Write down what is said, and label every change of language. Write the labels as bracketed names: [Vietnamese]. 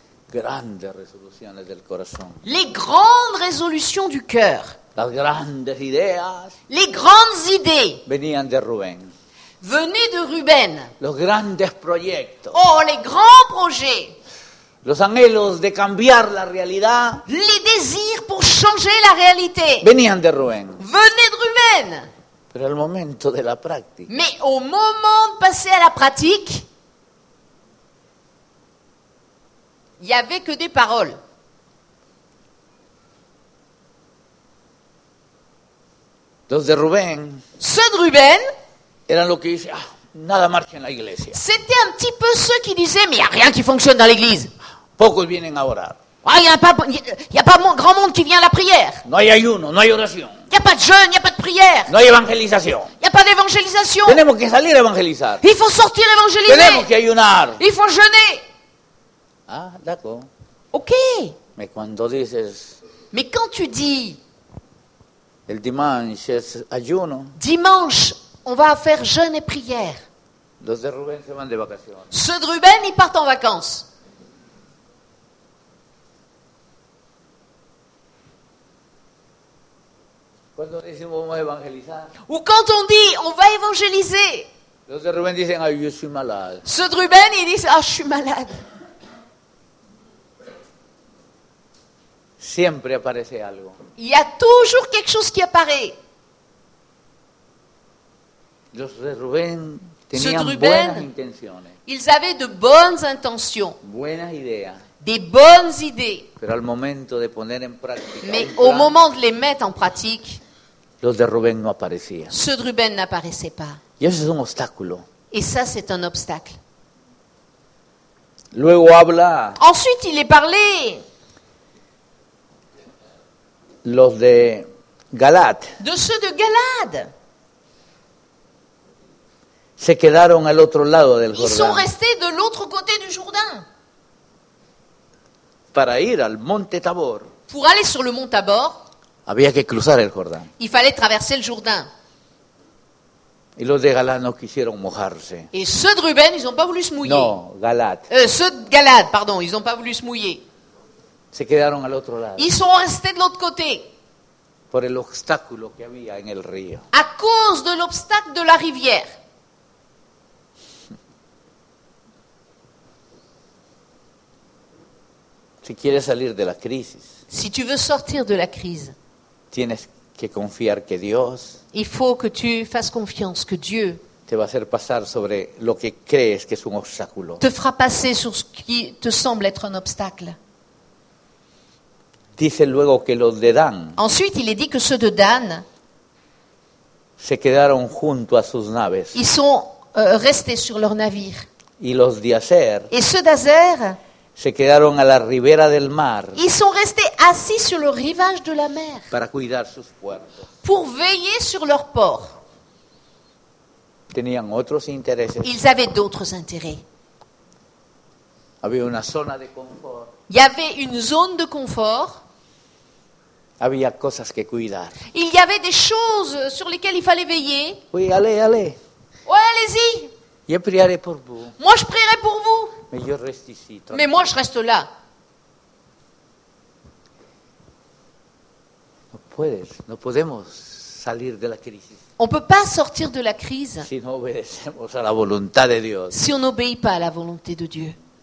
[Spanish] Grandes resoluciones del corazón. [French] Les grandes résolutions du cœur. [Spanish] Las grandes ideas. [French] Les grandes idées. [Spanish] Venían de Rubén. [French] Venaient de Ruben. [Spanish] Los grandes proyectos. [French] Oh, les grands projets. [Spanish] Los anhelos de cambiar la realidad. [French] Les désirs pour changer la réalité. [Spanish] Venían de Rubén. [French] Venaient de Ruben. [Spanish] Pero al momento de la práctica. [French] Mais au moment de passer à la pratique. Il n'y avait que des paroles. [Spanish] Los de Rubén. [French] Ceux de Ruben. [Spanish] Eran lo que dice, ah, nada marcha en la iglesia. [French] C'était un petit peu ceux qui disaient, mais il n'y a rien qui fonctionne dans l'église. [Spanish] Pocos vienen a orar. [French] Ah, il n'y a pas grand monde qui vient à la prière. [Spanish] No hay ayuno, no hay oración. [French] Il n'y a pas de jeûne, il n'y a pas de prière. [Spanish] No hay evangelización. [French] Il n'y a pas d'évangélisation. [Spanish] Tenemos que salir a evangelizar. [French] Il faut sortir évangéliser. [Spanish] Tenemos que ayunar. [French] Il faut jeûner. Ah, d'accord. Ok. Mais [Spanish] cuando dices, [French] mais quand tu dis. [Spanish] El [French] dimanche [Spanish] es ayuno. [French] Dimanche, on va faire jeûne et prière. [Spanish] Los de Rubén se van de vacaciones. [French] Ceux de Ruben, ils partent en vacances. [Spanish] Cuando decimos vamos a evangelizar. [French] Ou quand on dit on va évangéliser. [Spanish] Los de Rubén dicen, ah, yo soy [French] malade. Ceux de Ruben, ils disent, ah, je suis malade. [Spanish] Siempre aparece algo. [French] Il y a toujours quelque chose qui apparaît. [Spanish] Los de Rubén tenían buenas intenciones. [French] Ils avaient de bonnes intentions. [Spanish] Buenas ideas. [French] Des bonnes idées. [Spanish] Pero al momento de poner en práctica. [French] Mais au moment de les mettre en pratique. [Spanish] Los de Rubén no aparecían. [French] Ceux de Rubén n'apparaissaient pas. [Spanish] Y eso es un obstáculo. [French] Et ça, c'est un obstacle. [Spanish] Luego habla. [French] Ensuite, il est parlé. [Spanish] Los de Galat. [French] De ceux de Galad. [Spanish] Se quedaron al otro lado del Jordán. [French] Ils sont restés de l'autre côté du Jourdain. [Spanish] Para ir al Monte Tabor. [French] Pour aller sur le Mont Tabor. [Spanish] Había que cruzar el Jordán. [French] Il fallait traverser le Jourdain. [Spanish] Y los de Galat no quisieron mojarse. [French] Et ceux de Ruben, ils ont pas voulu se mouiller. [Spanish] No, Galat. [French] Ceux de Galad, pardon, ils ont pas voulu se mouiller. [Spanish] Se quedaron al otro lado. [French] Ils sont restés de l'autre côté. [Spanish] Por el obstáculo que había en el río. [French] À cause de l'obstacle de la rivière. [Spanish] Si quieres salir de la crisis. [French] Si tu veux sortir de la crise. [Spanish] Tienes que confiar que Dios. [French] Il faut que tu fasses confiance que Dieu. [Spanish] Te va a hacer pasar sobre lo que crees que es un obstáculo. [French] Te fera passer sur ce qui te semble être un obstacle. [Spanish] Dice luego que los de Dan. [French] Ensuite, il est dit que ceux de Dan [Spanish] se quedaron junto a sus naves. [French] Ils sont restés sur leur navire. [Spanish] Y los de Aser. [French] Et ceux d'Azer [Spanish] se quedaron a la ribera del mar. [French] Ils sont restés assis sur le rivage de la mer. [Spanish] Para cuidar sus puertos. [French] Pour veiller sur leur port. [Spanish] Tenían otros intereses. [French] Ils avaient d'autres intérêts. [Spanish] Había una zona de confort. [French] Il y avait une zone de confort. [Spanish] Había cosas que cuidar. [French] Il y avait des choses sur lesquelles il fallait veiller. Oui, allez, allez. Ouais, allez-y. Je prierai pour vous. Moi, je prierai pour vous. Mais je reste ici. Mais moi, je reste là. [Spanish] No puedes, no podemos salir de la crisis. [French] On ne peut pas sortir de la crise [Spanish] si, no obedecemos a la voluntad de Dios. [French] Si on n'obéit pas à la volonté de Dieu.